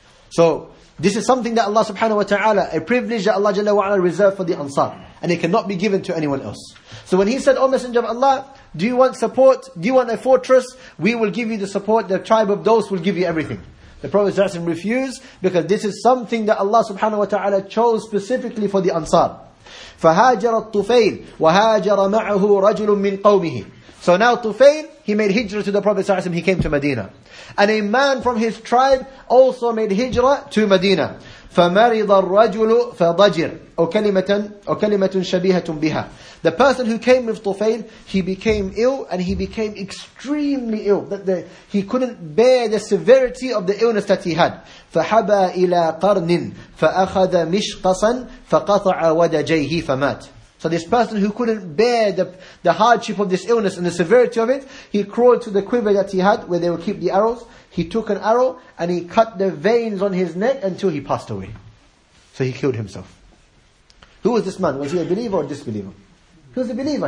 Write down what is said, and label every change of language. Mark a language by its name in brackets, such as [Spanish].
[English] So this is something that Allah subhanahu wa ta'ala, a privilege that Allah jalla wa ala reserved for the Ansar. And it cannot be given to anyone else. So when he said, O Messenger of Allah, do you want support? Do you want a fortress? We will give you the support. The tribe of those will give you everything. The Prophet sallallahu alaihi wasallam refused because this is something that Allah subhanahu wa ta'ala chose specifically for the Ansar. [Arabic] فهاجر الطفيل وهاجر معه رجل من قومه. [English] So now Tufayl, he made hijrah to the Prophet sallallahu alaihi wasallam. He came to Medina, and a man from his tribe also made hijrah to Medina. [Arabic] فمرض الرجل فضجر أو كلمة شبيهة بها. [English] The person who came with Tufayl, he became ill, and he became extremely ill. He couldn't bear the severity of the illness that he had. [Arabic] فحبى إلى قرن فأخذ مشقصا فقطع ودجيه فمات. [English] So this person who couldn't bear the hardship of this illness and the severity of it, he crawled to the quiver that he had where they would keep the arrows. He took an arrow and he cut the veins on his neck until he passed away. So he killed himself. Who was this man? Was he a believer or a disbeliever? He was a believer.